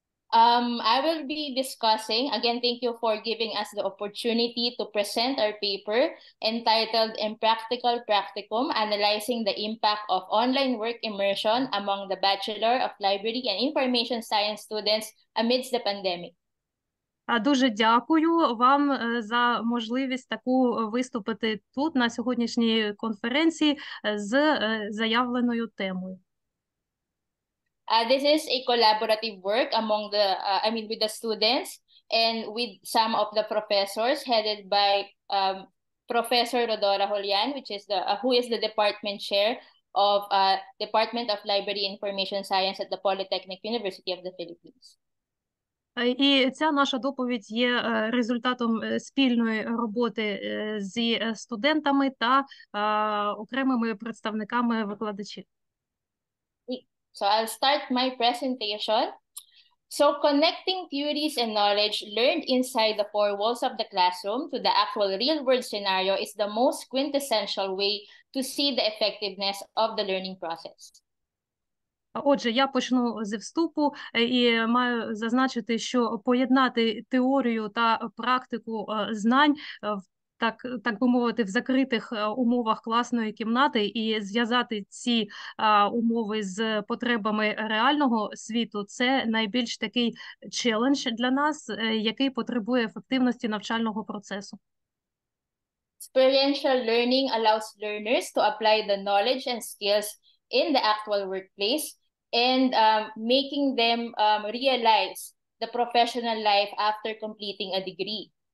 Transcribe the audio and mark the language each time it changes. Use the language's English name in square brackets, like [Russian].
[English] I will be discussing, again, thank you for giving us the opportunity to present our paper entitled Impractical Practicum, Analyzing the Impact of Online Work Immersion Among the Bachelor of Library and Information Science Students Amidst the Pandemic. [Ukrainian] Дуже дякую вам за можливість таку виступити тут на сьогоднішній конференції з заявленою темою. [English] This is a collaborative work among the, with the students and with some of the professors headed by Professor Rodora Julian, which is the who is the department chair of Department of Library Information Science at the Polytechnic University of the Philippines. [Ukrainian] І ця наша доповідь є результатом спільної роботи зі студентами та окремими представниками викладачів. [English] So I'll start my presentation. So connecting theories and knowledge learned inside the four walls of the classroom to the actual real-world scenario is the most quintessential way to see the effectiveness of the learning process. [Ukrainian] Отже, я почну з вступу і маю зазначити, що поєднати теорію та практику знань так би мовити, в закритих умовах класної кімнати і зв'язати ці умови з потребами реального світу – це найбільш такий челендж для нас, який потребує ефективності навчального процесу. [English] Experiential learning allows learners to apply the knowledge and skills in the actual workplace and making them realize the professional life after completing a degree.